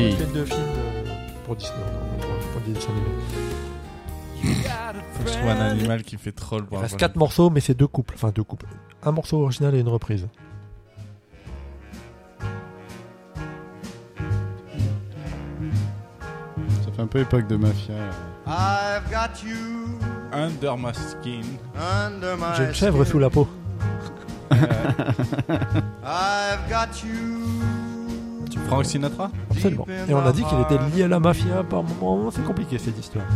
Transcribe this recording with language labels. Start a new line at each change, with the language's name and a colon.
French: Il a fait deux films pour Disney. Pour Disney. faut que je trouve un animal qui fait troll. Il reste 4 morceaux, mais c'est deux couples. Enfin, deux couples. Un morceau original et une reprise. Ça fait un peu époque de mafia.
English: I've got you under my skin. Under
French: my J'ai une chèvre skin. Sous la peau.
English: I've got you. Frank Sinatra ?
French: Absolument. Et on a dit qu'il était lié à la mafia par moment. C'est compliqué cette histoire.